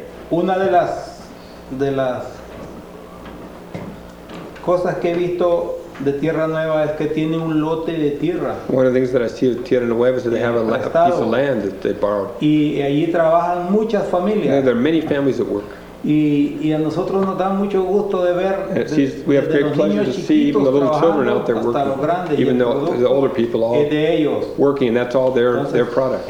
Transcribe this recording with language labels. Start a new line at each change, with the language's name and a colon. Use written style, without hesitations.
Spanish: Una de las cosas que he visto de Tierra Nueva es que tiene un lote de tierra.
English: One of the things that I see with Tierra Nueva is that they have a piece of land that they borrowed.
Spanish: Y allí trabajan muchas familias.
English: There are many families that work.
Spanish: Y a nosotros nos da mucho gusto de ver.
English: We have great pleasure to see even the little children out there working.
Spanish: Hasta los grandes,
English: even the older people all working, and that's all their product.